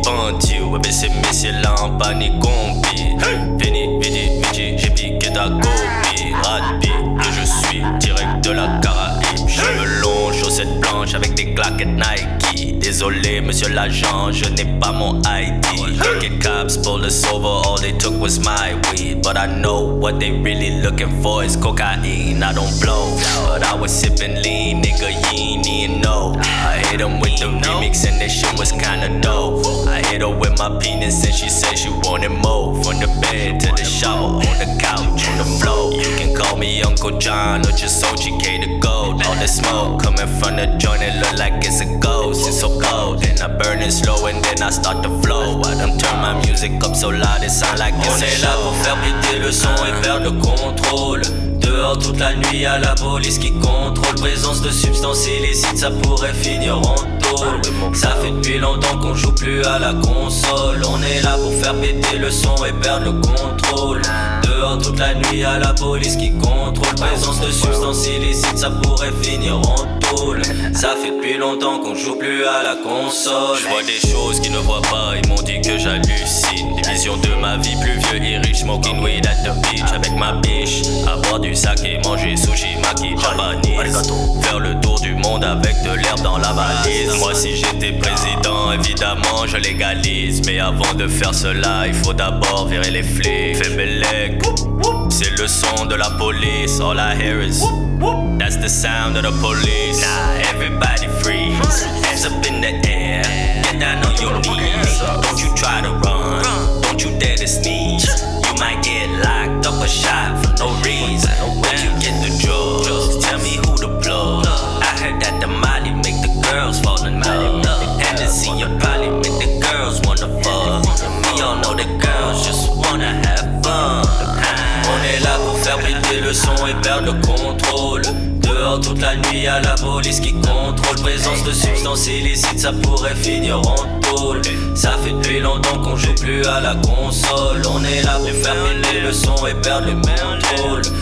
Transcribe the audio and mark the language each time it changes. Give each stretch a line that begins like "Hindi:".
French: Banti, ouais, mais c'est messieurs là en panique, combi. Vini, vidi, vidi, j'ai piqué ta copie. Radbi, que je suis direct de la Caraïbe. Cheveux longs, chaussettes blanches avec des claquettes Nike. Désolé, monsieur l'agent, je n'ai pas mon ID.
English: Get cops pulled us over, all they took was my weed. But I know what they really looking for is cocaine. I don't blow, but I was sipping lean, nigga, you ain't even know. I hit him with the remix and that shit was kinda dope. I hit her with my penis and she said she wanted more. From the bed to the shower, on the couch, on the floor. You can call me Uncle John or just OG K the Gold. All the smoke coming from the joint, it look like it's a ghost. It's so cold and I burn it slow and then I start to flow. I done turn my music up so loud it sound like it's on a
French: est là pour faire péter le son et perdre le contrôle. Dehors toute la nuit à la police qui contrôle. Présence de substances illicites, ça pourrait finir en taule. Ça fait depuis longtemps qu'on joue plus à la console. On est là pour faire péter le son et perdre le contrôle. Dehors toute la nuit à la police qui contrôle. Présence de substances illicites, ça pourrait finir en taule. Ça fait depuis longtemps qu'on joue plus à la console. J'vois des choses qu'ils ne voient pas, ils m'ont dit que j'hallucine. Des visions de ma vie, plus vieux et riche.
English: Smoking weed at the beach
French: avec ma biche. Avoir du saké, manger sushi, maki, japanese. Faire le tour du monde avec de l'herbe dans la valise. Moi si j'étais président, évidemment je légalise. Mais avant de faire cela, il faut d'abord virer les flics. Fais belek. C'est le son de la police.
English: All I hear is that's the sound of the police. Nah, everybody freeze. Hands up in the air. Get down on your knees. Don't you try to run. Don't you dare to sneeze. You might get locked up or shot for no reason. Where'd you get the drugs? Tell me who to blow. I heard that the Molly make the girls fall in love. And to see your Polly make the girls wanna fuck. We all know the girls just wanna have fun.
French: On est là pour faire péter le son et perdre le contrôle. Dehors toute la nuit à la police qui contrôle. Présence de substances illicites, ça pourrait finir en taule. Ça fait depuis longtemps qu'on joue plus à la console. On est là pour faire péter le son et perdre le contrôle.